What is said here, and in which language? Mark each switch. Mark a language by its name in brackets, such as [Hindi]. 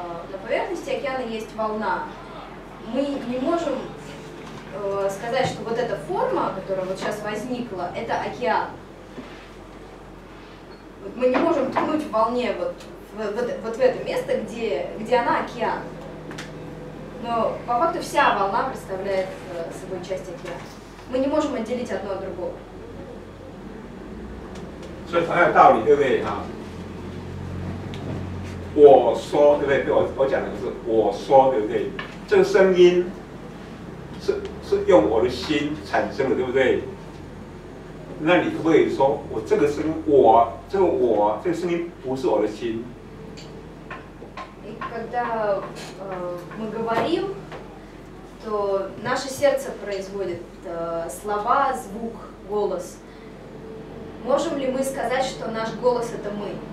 [Russian] На поверхности океана есть волна. Мы не можем сказать, что вот эта форма, которая вот сейчас возникла, это океан. Вот мы не можем ткнуть в волне вот в это место, где она океан. Но по факту вся волна представляет собой часть океана. Мы не можем отделить одно от другого. [Chinese] 所以同样的道理，对不对？哈，我说，对不对？我讲的是我说，对不对？这个声音是用我的心产生的，对不对？那你可不可以说我这个声音，我这个我这个声音不是我的心？ [Russian] Когда мы говорим, то наше сердце производит слова, звук, голос. Можем ли мы сказать, что наш голос это мы?